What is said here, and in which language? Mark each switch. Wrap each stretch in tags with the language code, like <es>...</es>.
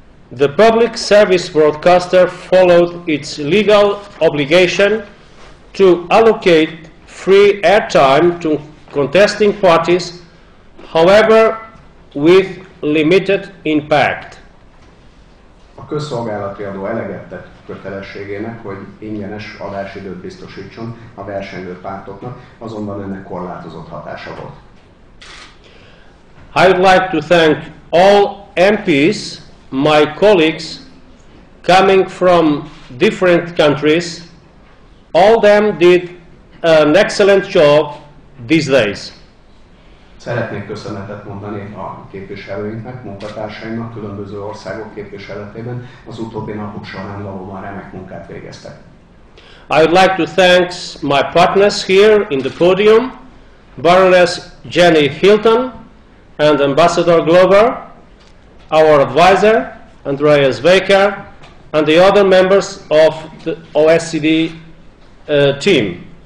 <en>The public service broadcaster followed its legal obligation to allocate free airtime to contesting parties, however, with limited impact.</en> <hu>A közszolgálati adó eleget tett kötelességének, hogy ingyenes adásidőt biztosítson a versenylő pártoknak, azonban ennek korlátozott hatása volt.</hu> <en>I would like to thank all MPs, my colleagues, coming from different countries. All them did an excellent job these days.</en> <hu>Szeretnék köszönetet mondani a képviselőinknek, munkatársainknak, különböző országok képviseletében. Az utóbbi napok során valóban remek munkát végeztek.</hu> <en>I would like to thank my partners here in the podium, Baroness Jenny Hilton and Ambassador Glover, our advisor Andreas Baker and the other members of the OSCD team.</en>